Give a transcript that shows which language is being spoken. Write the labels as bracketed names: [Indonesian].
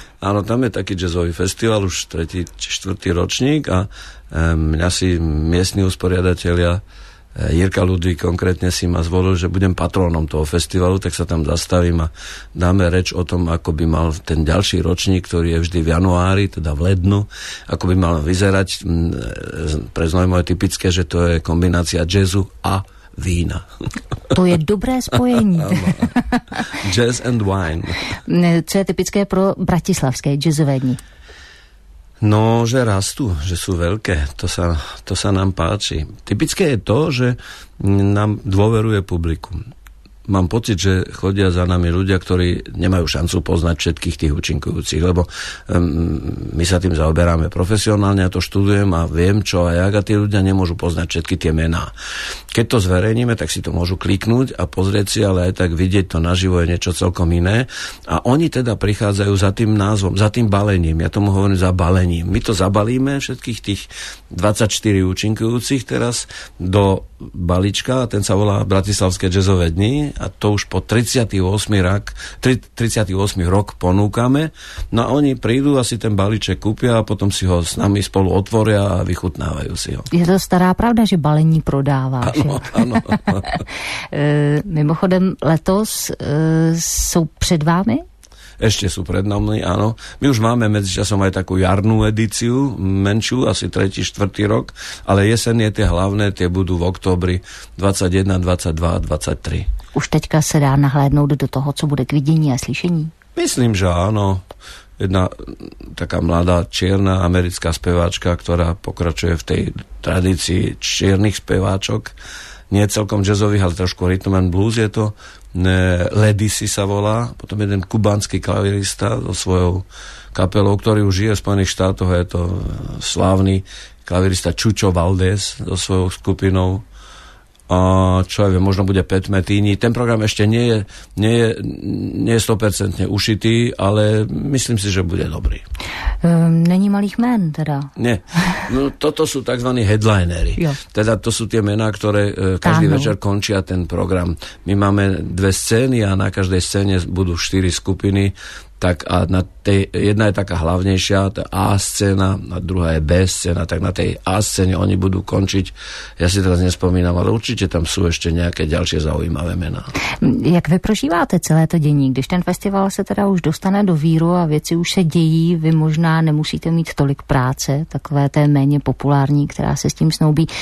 [Czech] Ano, tam je taky jazzový festival, už třetí, čtvrtý ročník [Slovak] a mě si místní usporiadatelia Jirka Ludvík konkrétne si ma zvolil, že budem patrónom toho festivalu, tak sa tam zastavím a dáme reč o tom, ako by mal ten ďalší ročník, ktorý je vždy v januári, teda v lednu, ako by mal vyzerať. Pre Znojmo je typické, že to je kombinácia jazzu a vína. [Czech] To je dobré spojení. [English] Jazz and wine. [Czech] Co je typické pro bratislavské jazzové dni? [Slovak] No, že rastú, že sú veľké, to sa nám páči. Typické je to, že nám dôveruje publikum. Mám pocit, že chodia za nami ľudia, ktorí nemajú šancu poznať všetkých tých účinkujúcich, lebo my sa tým zaoberáme profesionálne, ja to študujem a viem čo a jak a tí ľudia nemôžu poznať všetky tie mená. Keď to zverejníme, tak si to môžu kliknúť a pozrieť si, ale aj tak vidieť to naživo je niečo celkom iné. A oni teda prichádzajú za tým názvom, za tým balením, ja tomu hovorím za balením. My to zabalíme všetkých tých 24 účinkujúcich teraz do balíčka, ten sa volá Bratislavské jazzové dni a to už po 38 rok ponúkame. No a oni prídu a si ten balíček kúpia a potom si ho s nami spolu otvoria a vychutnávajú si ho. [Czech] Je to stará pravda, že balení prodáváš. [Slovak] Áno, áno. [Czech] Mimochodem letos sú pred vámi? [Slovak] Ešte sú pred nami, áno. My už máme medzičasom aj takú jarnú edíciu, menšiu, asi tretí, štvrtý rok, ale jesen je tie hlavné, tie budú v októbri 21, 22, 23. [Czech] Už teďka se dá nahlédnout do toho, co bude k vidění a slyšení? [Slovak] Myslím, že áno. Jedna taká mladá čierna americká speváčka, ktorá pokračuje v tej tradícii čiernych speváčok. Nie celkom jazzových, ale trošku rhythm and blues je to. Lady si sa volá. Potom jeden kubánsky klavirista so svojou kapelou, ktorý už žije v Spojených štátoch. Je to slávny klavirista Chucho Valdés so svojou skupinou. A čo ja viem, možno bude 5 metíni. Ten program ešte nie je 100% ušitý, ale myslím si, že bude dobrý. [Czech] Není malých men teda? [Slovak] Nie. No, toto sú tzv. Headlinery. Jo. Teda to sú tie mená, ktoré každý večer končia ten program. My máme dve scény a na každej scéne budú 4 skupiny. Tak a na tej, jedna je taká hlavnejšia, tá A scéna, a druhá je B scéna, tak na tej A scéne oni budú končiť. Ja si teraz nespomínam, ale určite tam sú ešte nejaké ďalšie zaujímavé mená. [Czech] Jak vy prožíváte celé to dění, když ten festival se teda už dostane do víru a věci už se dějí, vy možná nemusíte mít tolik práce, takové té méně populární, která se s tím snoubí.